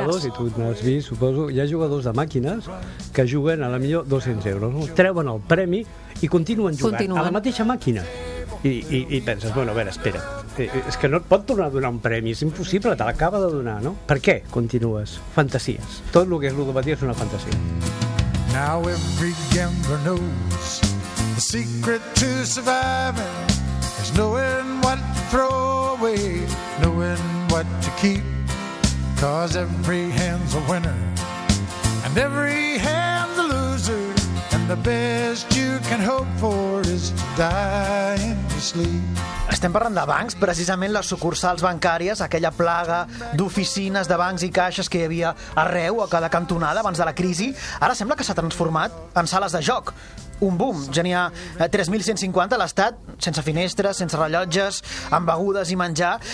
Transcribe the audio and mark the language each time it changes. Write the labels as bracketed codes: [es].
[ca] Hi ha jugadors, i tu n'has vist, suposo, hi ha jugadors de màquines que juguen a la millor 200 euros, treuen el premi i continuen jugant a la mateixa màquina. I penses, bueno, a veure, espera, és que no et pot tornar a donar un premi, és impossible, te l'acaba de donar, no? Per què continues? Fantasies. Tot el que és ludopatia és una fantasia. [en] Now every gambler knows the secret to surviving is knowing what to throw away, knowing what to keep, 'cause every hand's a winner and every hand's a loser, and the best you can hope for is to die in your sleep. [ca] Estem parlant de bancs, precisament les sucursals bancàries, aquella plaga d'oficines, de bancs i caixes que hi havia arreu, a cada cantonada, abans de la crisi, ara sembla que s'ha transformat en sales de joc. Un boom. Ja n'hi ha 3.150 a l'estat, sense finestres, sense rellotges, amb begudes i menjar.